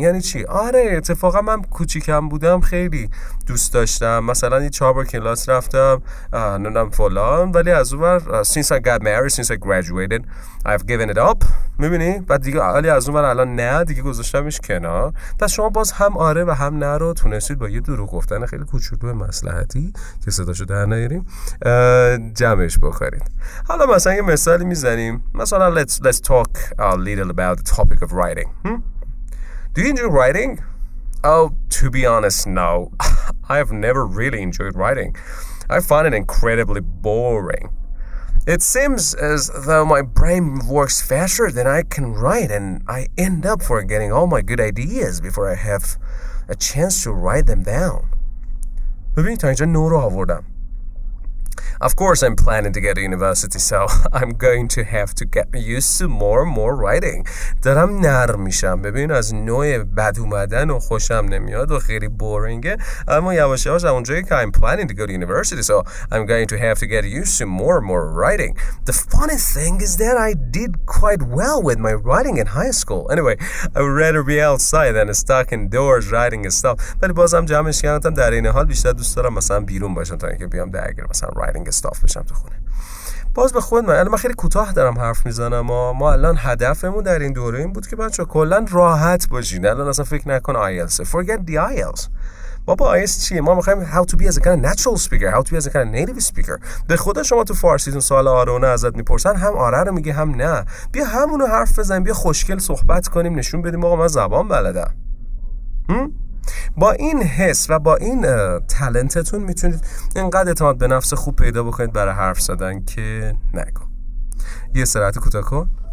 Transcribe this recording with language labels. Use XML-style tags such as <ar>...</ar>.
<fa>یعنی چی؟ آره اتفاقا من کوچیکم بودم خیلی دوست داشتم، مثلا یه 4 بار کلاس رفتم نونم فلان، ولی از اون بر</fa> <en>since I got married, since I graduated, I've given it up.</en> <fa>میبینی؟ بعد دیگه علی از اون بر الان نه دیگه گذاشتمش کنار. پس شما باز هم آره و هم نه رو تونستید با یه دروغ گفتن خیلی کوچولو مصلحتی که صداشو در نیاریم جمعش بخورید. حالا مثلا یه مثالی میزنیم، مثلا</fa> <en>let's talk a little about the topic of writing. Do you enjoy writing? Oh, to be honest, no. I have never really enjoyed writing. I find it incredibly boring. It seems as though my brain works faster than I can write, and I end up forgetting all my good ideas before I have a chance to write them down.</en> <fa>ببینید تا اینجا نور رو آوردم.</fa> <en>Of course I'm planning to get to university, so I'm going to have to get used to more and more writing.</en> <fa>دارم نرم میشم. ببین از نوع بد اومدن و خوشم نمیاد و خیلی بورینگه. اما یواش یواش اونجایی که</fa> <en>I'm planning to go to university, so I'm going to have to get used to more and more writing. The funny thing is that I did quite well with my writing in high school. Anyway, I would rather be outside than stuck indoors writing and stuff.</en> <fa>ولی بازم جمعش کردم در این حال بیشتر دوست دارم مثلا بیرون باشم تا اینکه بیام درگیر مثلا</fa> <en>writing stuff</en> <fa>بشم تو خونه. باز به خود من الان خیلی کوتاه دارم حرف میزنم. ما الان هدفمون در این دوره این بود که بچه ها کلن راحت باشین. الان اصلا فکر نکن IELTS.</fa> <en>Forget the IELTS.</en> <fa>بابا IELTS چیه؟ ما میخواییم</fa> <en>how to be as a kind of natural speaker. How to be as a kind of native speaker.</en> <fa>به خدا شما تو فارسیتون سوال آرونه ازت میپرسن هم آره رو میگه هم نه. بیا همونو حرف بزن. بیا خوشگل صحبت کنیم. نشون بدیم آقا من زبان بلدم. با این حس و با این تلنتتون میتونید اینقدر اعتماد به نفس خوب پیدا بکنید برای حرف زدن که نگو. یه سرعت کوتاه کن.</fa>